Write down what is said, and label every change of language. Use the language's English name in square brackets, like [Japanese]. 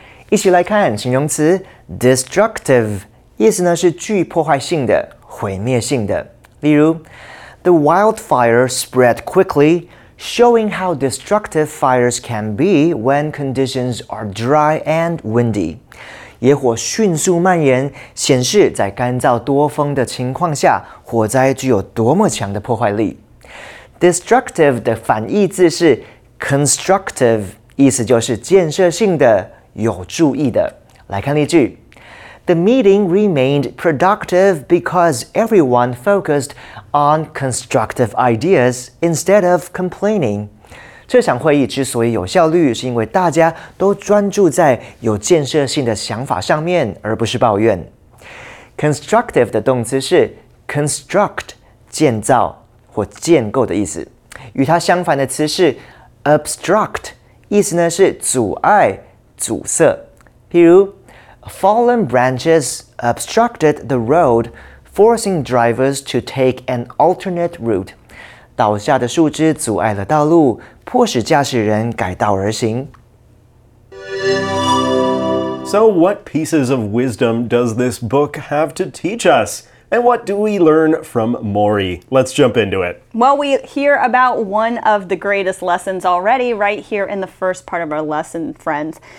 [Chinese] 一起来看形容词 destructive, 意思呢是具破坏性的、毁灭性的。例如 [English] The wildfire spread quickly, showing how destructive fires can be when conditions are dry and windy. [Chinese] 野火迅速蔓延，显示在干燥多风的情况下，火灾具有多么强的破坏力。 Destructive 的反义字是 constructive, 意思就是建设性的、有注意的。来看例句。 [English] The meeting remained productive because everyone focused on constructive ideas instead of complaining. [Chinese] 这场会议之所以有效率是因为大家都专注在有建设性的想法上面而不是抱怨。 Constructive 的动词是 construct, 建造。或建构的意思，与它相反的词是 obstruct， 意思呢是阻碍、阻塞。譬如 [English] ，fallen branches obstructed the road, forcing drivers to take an alternate route。 [Chinese] 倒下的树枝阻碍了道路，迫使驾驶人改道而行。 [English] So, what pieces of wisdom does this book have to teach us? And what do we learn from Maury? Let's jump into it. Well, we hear about one of the greatest lessons already right here in the first part of our lesson, friends.